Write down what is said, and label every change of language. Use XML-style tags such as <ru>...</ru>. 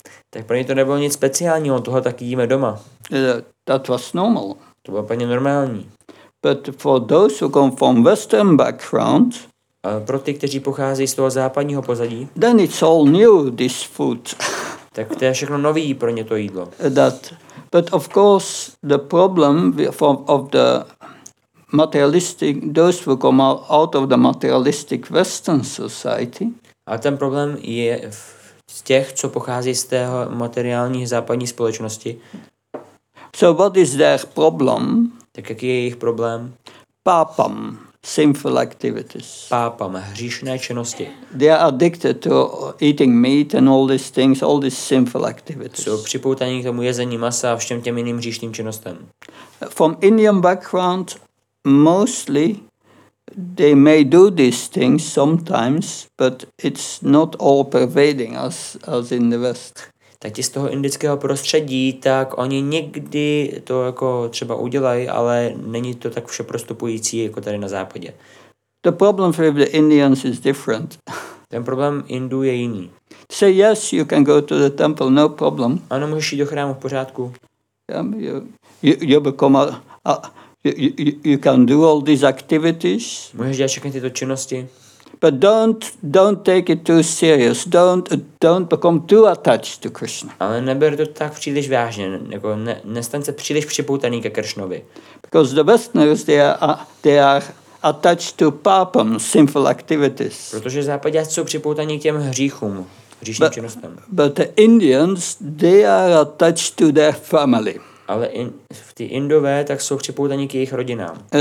<cs>Tak pro něj to nebylo nic speciálního, tohle taky jíme doma.</cs> <en>That was normal.</en> <cs>To bylo plně normální.</cs> <en>But for those who come from western background,</en> <cs>pro ty, kteří pocházejí z toho západního pozadí,</cs> <en>then it's all new, this food.</en> <cs>Tak to je všechno nový pro ně to jídlo.</cs> <en>That, but of course the problem of the materialistic, those who come out of the materialistic western society.</en> <cs>A ten problém je z těch, co pochází z tého materiální západní společnosti.</cs> <en>So what is their problem?</en> <cs>Tak jaký je jejich problém?</cs> <en>Pápam. Sinful activities.</en> <cs>Pápam, hříšné činnosti.</cs> <en>They are addicted to eating meat and all these things, all these sinful activities.</en> <cs>Jsou připoutaní k tomu jezení masa a všem těm jiným hříšným činnostem.</cs> <en>From Indian background, mostly they may do these things sometimes, but it's not all pervading as in the West.</en> <cs>Tak ti z toho indického prostředí, tak oni někdy to jako třeba udělají, ale není to tak všeprostupující jako tady na západě.</cs> <en>The problem with the Indians is different.</en> <cs>Ten problém Indů je jiný.</cs> <en>Say yes, you can go to the temple, no problem.</en> <cs>Ano, můžeš jít do chrámu, v pořádku.</cs> <en>You become you can do all these activities.</en> <cs>Můžeš dělat všechny tyto činnosti.</cs> <en>But don't take it too serious. Don't become too attached to Krishna.</en> <cs>Ale neber to tak příliš vážně, jako nestaň se příliš připoutaný ke Krishnovi.</cs> <en>Because the Westerners they are attached to papam, sinful activities.</en> <cs>Protože západňáci jsou připoutaní k těm hříchům, hříšným činnostem.</cs> <en>But the Indians they are attached to their family.</en> <cs>Ale ty Indové tak jsou připoutaní k jejich rodinám.</cs>